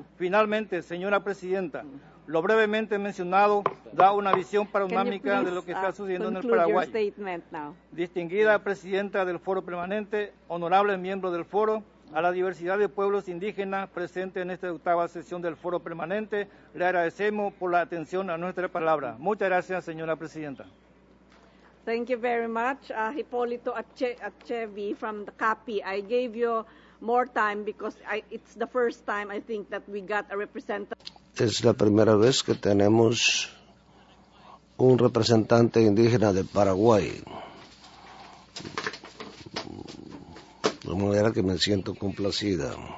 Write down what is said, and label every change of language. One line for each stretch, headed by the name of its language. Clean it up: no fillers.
Spanish: Finalmente, señora presidenta, lo brevemente mencionado da una visión panorámica de lo que está sucediendo en el Paraguay. Distinguida presidenta del Foro Permanente, honorables miembros del foro, a la diversidad de pueblos indígenas presentes en esta octava sesión del Foro Permanente, le agradecemos por la atención a nuestra palabra. Muchas gracias, señora presidenta.
English: Thank you very much, Hipólito Achevi from the CAPI. I gave you more time because it's the first time I think that we got a representative.
Spanish: Es la primera vez que tenemos un representante indígena de Paraguay. De manera que me siento complacida.